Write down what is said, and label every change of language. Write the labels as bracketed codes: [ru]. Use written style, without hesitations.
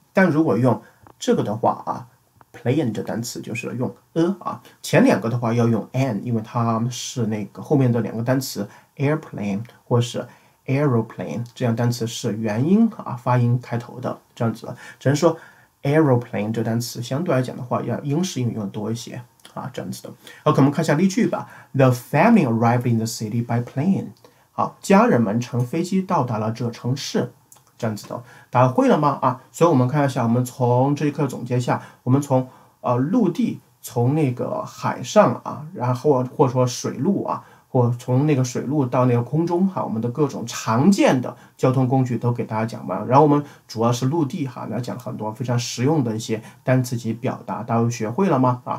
[zh] 但如果用这个的话啊，plane 这单词就是用 a 啊，前两个的话要用 an，因为它是那个后面的两个单词 airplane 或是 aeroplane 这样单词是元音啊，发音开头的这样子。只能说 aeroplane 这单词相对来讲的话，要英式英语用的多一些啊，这样子的。 OK，我们看一下例句吧。 [en] The family arrived in the city by plane。 [zh] 好，家人们乘飞机到达了这城市。这样子的，答会了吗？啊，所以我们看一下，我们从这一课总结一下，我们从陆地，从那个海上啊，然后或者说水路啊，或从那个水路到那个空中哈，我们的各种常见的交通工具都给大家讲完，然后我们主要是陆地哈，来讲很多非常实用的一些单词及表达，大家都学会了吗？